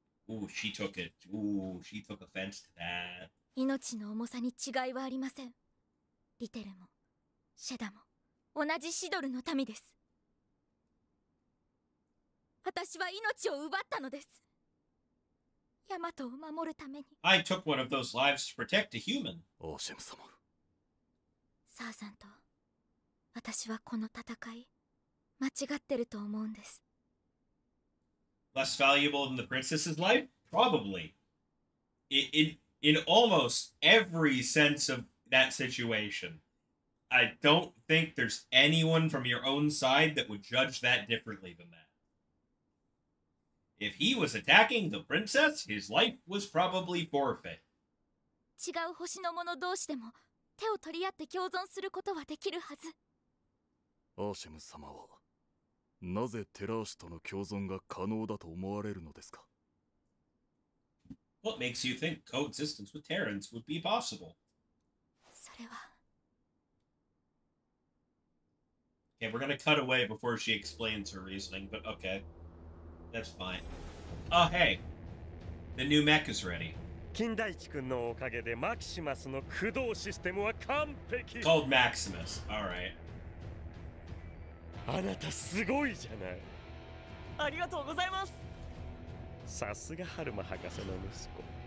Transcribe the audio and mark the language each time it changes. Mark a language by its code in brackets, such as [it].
[en] Ooh, she took it. Ooh, she took offense to that. [ja] 命の重さに違いはありません。リテルも、シェダも、同じシドルの民です。私は命を奪ったのです。ヤマトを守るために。 [en] I took one of those lives to protect a human. [ja] オーシェム様。サーさんと、私はこの戦い、間違ってると思うんです。 [en] Less valuable than the princess's life? Probably. In almost every sense of that situation, I don't think there's anyone from your own side that would judge that differently than that. If he was attacking the princess, his life was probably forfeit. [ja] 違う星の者同士でも手を取り合って共存することはできるはず。アーシェム様はなぜテラー氏との共存が可能だと思われるのですか? [en] What makes you think coexistence with Terrans would be possible? [ja] それは… [en] Okay, we're gonna cut away before she explains her reasoning, but okay. That's fine. Oh, hey! The new mech is ready. [ja] 金大地君のおかげでマキシマスの駆動システムは完璧! [en] Called Maximus, alright. [ja] あなたすごいじゃない。ありがとうございます! さすがハルマ博士の息子。